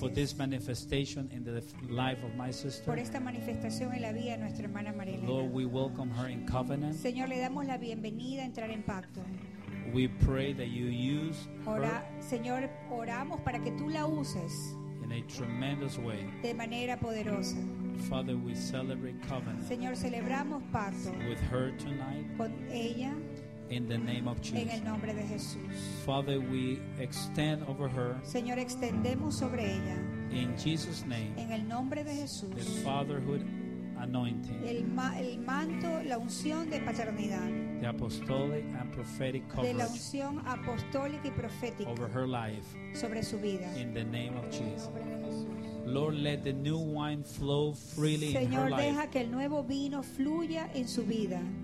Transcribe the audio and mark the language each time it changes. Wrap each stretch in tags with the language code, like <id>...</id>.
<en>for this manifestation in the life of my sister.</en> <es>Por esta manifestación en la vida de nuestra hermana Marilena.</es> <en>Lord, we welcome her in covenant.</en> <es>Señor, le damos la bienvenida a entrar en pacto.</es> <en>We pray that you use her.</en> <es>Señor, oramos para que tú la uses</es> <en>in a tremendous way.</en> <es>De manera poderosa.</es> <en>Father, we celebrate covenant.</en> <es>Señor, celebramos pacto</es> <en>with her tonight.</en> <es>Con ella.</es> <en>In the name of Jesus.</en> <es>En el nombre de Jesús.</es> <en>Father, we extend over her.</en> <es>Señor, extendemos sobre ella.</es> <en>In Jesus' name.</en> <es>En el nombre de Jesús.</es> <en>The fatherhood anointing.</en> <es>El manto, la unción de paternidad.</es> <en>The apostolic and prophetic coverage.</en> <es>De la unción apostólica y profética.</es> <en>Over her life.</en> <es>Sobre su vida.</es> <en>In the name of Jesus.</en> <es>En el nombre de Jesús.</es> <en>Lord, let the new wine flow freely</en> <es>Señor,</es> <en>in her life.</en> <es>Deja que el nuevo vino fluya en su vida.</es>